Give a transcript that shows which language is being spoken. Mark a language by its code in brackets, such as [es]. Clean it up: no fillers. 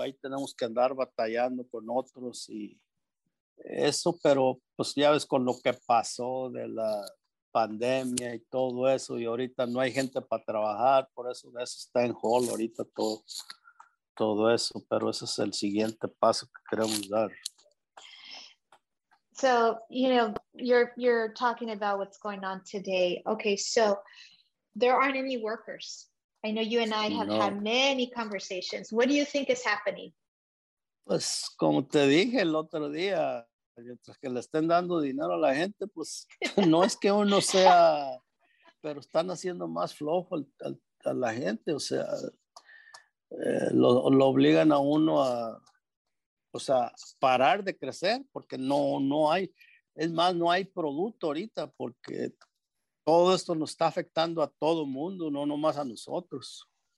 [es] Ahí tenemos que andar batallando con otros y eso, pero pues ya ves con lo que pasó de la pandemia y todo eso, y ahorita no hay gente para trabajar, por eso está en hold ahorita todo eso, pero ese es el siguiente paso que queremos dar. [en] So, you know, you're talking about what's going on today. Okay, so there aren't any workers. I know you and I have had many conversations. What do you think is happening? [es] Pues, como te dije el otro día, mientras que le estén dando dinero a la gente, pues, no es que uno sea, pero están haciendo más flojo a la gente. O sea, lo obligan a uno a, o sea, parar de crecer porque no hay, es más, no hay producto ahorita porque todo esto nos está afectando a todo mundo, no nomás a nosotros.